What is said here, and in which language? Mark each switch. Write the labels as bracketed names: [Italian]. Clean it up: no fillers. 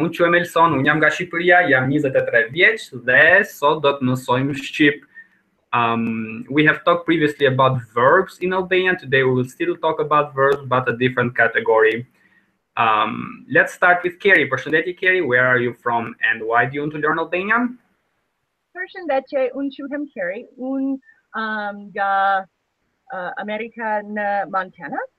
[Albanian] Unë quhem Elson, unë jam nga Shqipëria, jam 23 vjeç dhe sot do të mësojmë shqip. [English] We have talked previously about verbs in Albania. Today we will still talk about verbs, but a different category. Let's start with Keri. Përshëndetje Keri, where are you from and why do you want to learn Albanian? [Albanian] Përshëndetje, unë quhem Keri, unë nga Amerika në Montana.